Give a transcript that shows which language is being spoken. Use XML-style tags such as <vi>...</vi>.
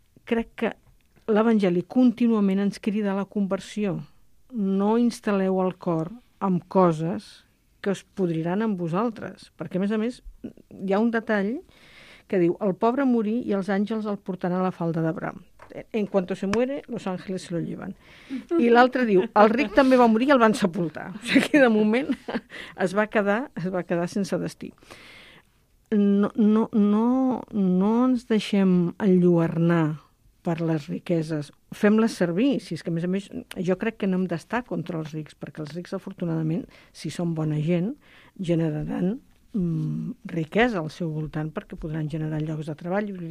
<ca>Crec que l'Evangeli contínuament ens crida a la conversió. No instal·leu el cor amb coses que es podriran amb vosaltres. Perquè, a més, hi ha un detall que diu: el pobre morir i els àngels el portaran a la falda d'Abraham.</ca> <es>En cuanto se muere, los ángeles se lo llevan.</es> <ca>I l'altre diu: el ric també va morir i el van sepultar. O sigui que de moment es va quedar sense destí. No ens deixem enlluernar per les riqueses. Fem-les servir, si és que a més jo crec que no hem d'estar contra els rics, perquè els rics, afortunadament, si són bona gent, generaran riquesa al seu voltant, perquè podran generar llocs de treball.</ca>